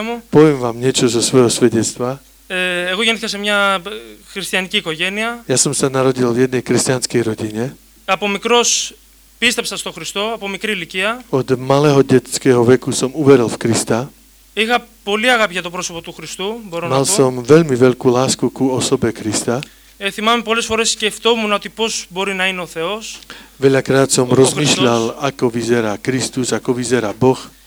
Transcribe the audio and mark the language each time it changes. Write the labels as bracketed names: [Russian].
[Slovak] Poviem vám niečo zo svojho svedectva. [Greek] Εγώ γεννήθηκα σε μια χριστιανική οικογένεια. [Slovak] Ja som sa narodil v jednej kresťanskej rodine. [Greek] Από μικρός πίστεψα στον Χριστό, από μικρή ηλικία. [Slovak] Od malého detského veku som uveril v Krista. [Greek] Είχα πολύ αγάπη για το πρόσωπο του Χριστού, μπορώ [Slovak] Mal [Greek] να πω. [Slovak] Som veľmi veľkú lásku ku osobe Krista. [Greek] Θυμάμαι πολλές φορές σκεφτόμουν ότι πώς μπορεί να είναι ο Θεός. [Slovak] Veľakrát som rozmýšľal, ako vyzerá Kristus, ako vyzerá Boh.